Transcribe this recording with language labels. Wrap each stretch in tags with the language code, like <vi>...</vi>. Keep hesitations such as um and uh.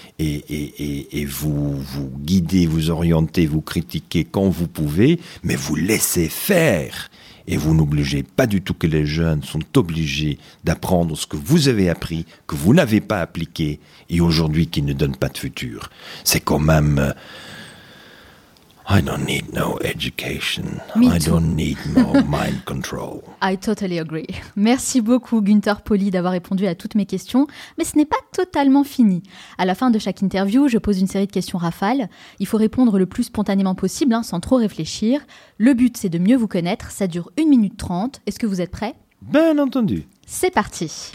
<fr>Et, et, et, et vous vous guidez, vous orientez, vous critiquez quand vous pouvez, mais vous laissez faire. Et vous n'obligez pas du tout que les jeunes sont obligés d'apprendre ce que vous avez appris, que vous n'avez pas appliqué, et aujourd'hui qui ne donne pas de futur. C'est quand même...</fr> <en>I don't need no education. Me I too. don't need no mind control. I totally agree.</en> <fr>Merci beaucoup, Gunther Poli, d'avoir répondu à toutes mes questions. Mais ce n'est pas totalement fini. À la fin de chaque interview, je pose une série de questions rafales. Il faut répondre le plus spontanément possible, hein, sans trop réfléchir. Le but, c'est de mieux vous connaître. Ça dure une minute trente. Est-ce que vous êtes prêt Bien entendu. C'est parti.</fr>